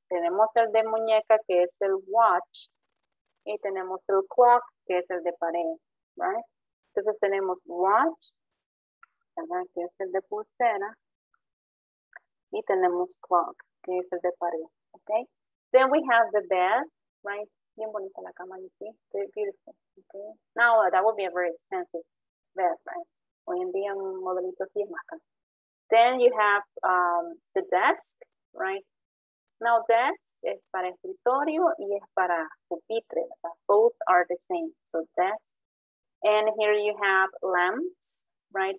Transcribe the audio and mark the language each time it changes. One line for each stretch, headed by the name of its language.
Spanish: Tenemos el de muñeca, que es el watch, y tenemos el clock, que es el de pared, right? Entonces tenemos watch, ¿verdad? Que es el de pulsera, y tenemos clock, que es el de pared, okay?
English: Then we have the bed, right?
Spanish: Bien bonita la cama,
English: you see? Very beautiful, okay? Now that would be a very expensive bed, right?
Spanish: Hoy en día un modelito así es más caro.
English: Then you have the desk, right? Now desk is
Spanish: para escritorio y es para pupitre.
English: Both are the same, so desk. And here you have lamps, right?